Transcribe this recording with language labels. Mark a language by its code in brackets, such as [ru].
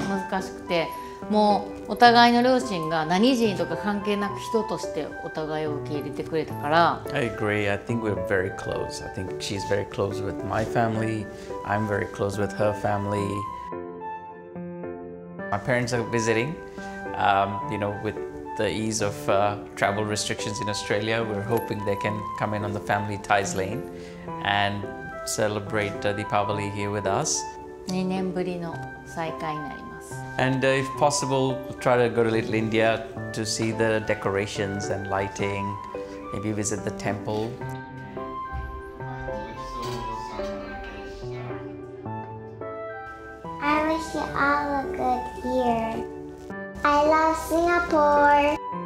[ja] 難しくて、もうお互いの両親が何人とか関係なく人としてお互いを受け入れてくれたから。 [en] I agree. I think we're very close. I think she's very close with my family. I'm very close with her family. My parents are visiting. You know, with the ease of travel restrictions in Australia, we're hoping they can come in on the family ties lane and celebrate Deepavali here with us. [ja] 2年ぶりの再会になります。 [en] And if possible, try to go to Little India to see the decorations and lighting. Maybe visit the temple. I wish you all a good year. I love Singapore.